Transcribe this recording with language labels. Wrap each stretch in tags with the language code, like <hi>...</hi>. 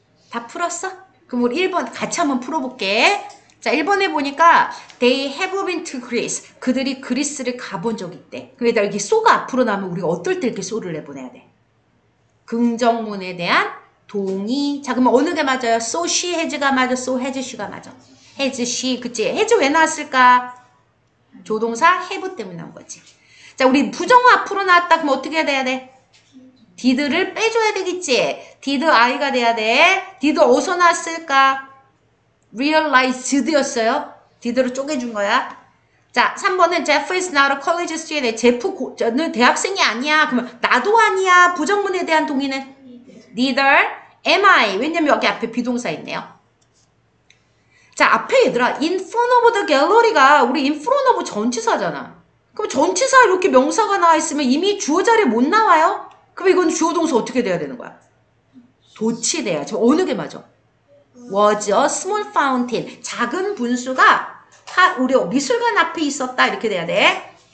<ko>다 풀었어? 그럼 우리 1번 같이 한번 풀어볼게. 자, 1번에 보니까</ko> <en>They have been to Greece.</en> <ko>그들이 그리스를 가본 적 있대. 그럼 얘들아 여기 so가 앞으로 나오면 우리가 어떨 때 이렇게 so를 내보내야 돼? 긍정문에 대한 동의. 자, 그럼 어느 게 맞아요?</ko> <en>So she, has가</en> <ko>맞아?</ko> <en>So has she가 맞아? Has she,</en> <ko>그치? Has 왜 나왔을까? 조동사 have 때문에 나온 거지. 자, 우리 부정어 앞으로 나왔다. 그럼 어떻게 해야 돼? Did를 빼줘야 되겠지.</ko> <en>Did I</en> <ko>가 돼야 돼. Did 어디서 나왔을까? Realized였어요. Did를 쪼개준 거야. 자, 3번은</ko> <en>Jeff is not a college student.</en> <ko>Jeff는 대학생이 아니야. 그러면 나도 아니야. 부정문에 대한 동의는?</ko> <en>Neither am I.</en> <ko>왜냐면 여기 앞에 비동사 있네요. 자, 앞에 얘들아,</ko> <en>in front of the gallery</en> <ko>가 우리 in front of 전치사잖아. 그럼 전치사 이렇게 명사가 나와 있으면 이미 주어 자리에 못 나와요? 그럼 이건 주어 동사 어떻게 돼야 되는 거야? 도치 돼야. 저 어느 게 맞아?</ko> <en>Was a small fountain.</en> <ko>작은 분수가 우리 미술관 앞에 있었다. 이렇게 돼야 돼.</ko>